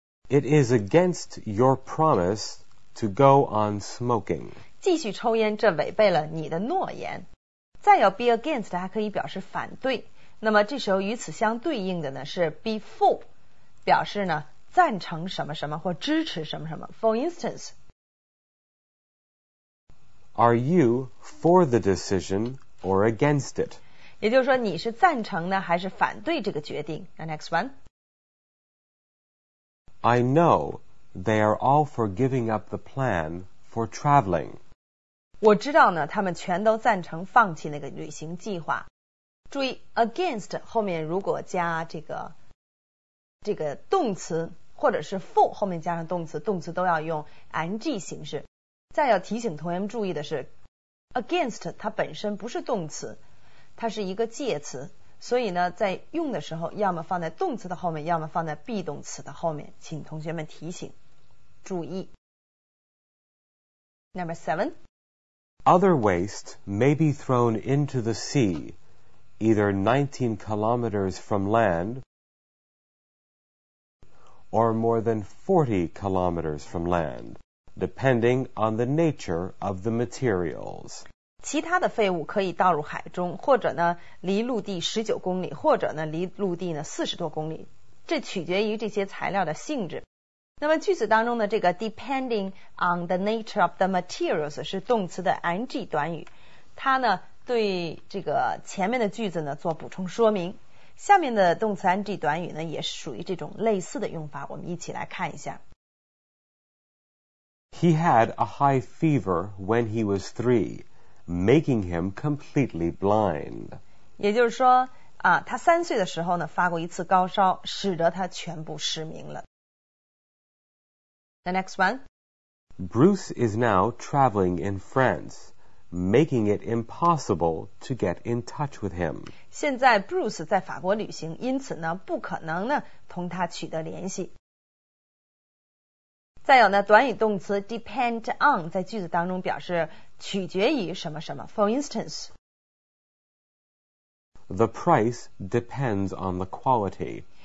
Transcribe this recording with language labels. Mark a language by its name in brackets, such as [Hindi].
[English] It is against your promise to go on smoking. [Chinese] 继续抽烟，这违背了你的诺言。再有 [English] be against [Chinese] 还可以表示反对。那么这时候与此相对应的呢是 [English] be for， [Chinese] 表示呢赞成什么什么或支持什么什么。 [English] For instance, Are you for the decision or against it? [Chinese] 也就是说你是赞成呢还是反对这个决定。 [English] The next one. I know they are all for giving up the plan for traveling. [Chinese] 我知道呢他们全都赞成放弃那个旅行计划。注意 against 后面如果加这个动词或者是 for 后面加上动词，动词都要用 ing 形式。再要提醒同学们注意的是 against 它本身不是动词，它是一个介词，所以呢在用的时候要么放在动词的后面，要么放在 be 动词的后面，请同学们提醒注意。 [English] Number seven. Other waste may be thrown into the sea either 19 kilometers from land or more than 40 kilometers from land depending on the nature of the materials. [Chinese] 其他的废物可以倒入海中，或者呢离陆地19公里，或者呢离陆地呢40多公里，这取决于这些材料的性质。那么句子当中的这个 [English] depending on the nature of the materials [Chinese] 是动词的 ing 短语，它呢对这个前面的句子呢做补充说明。下面的动词 ing 短语呢也属于这种类似的用法，我们一起来看一下。 [English] He had a high fever when he was 3. Making him completely blind. [Chinese] 也就是说啊，他3岁的时候呢发过一次高烧，使得他全部失明了。 [English] The next one. Bruce is now traveling in France, making it impossible to get in touch with him. [Chinese] 现在 Bruce 在法国旅行，因此呢，不可能呢同他取得联系。再有呢，短语动词 [English] depend on [Chinese] 在句子当中表示取决于什么什么。 [English] For instance, the price depends on the quality.